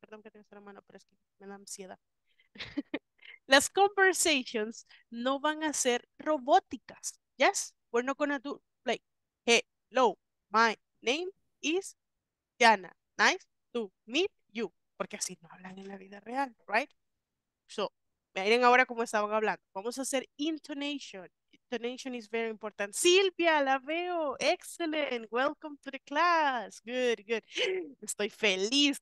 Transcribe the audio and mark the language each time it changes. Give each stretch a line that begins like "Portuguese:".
Spanish: Perdón que tengo esta mano, pero es que me da ansiedad. Las conversations no van a ser robóticas.
English: Yes, we're not gonna do like, hello, my name is Diana. Nice to meet you.
Spanish: Porque así no hablan en la vida real, right? So, miren ahora cómo estaban hablando. Vamos a hacer intonation.
English: Intonation is very important.
Spanish: Silvia, la veo.
English: Excellent. Welcome to the class. Good, good.
Spanish: Estoy feliz.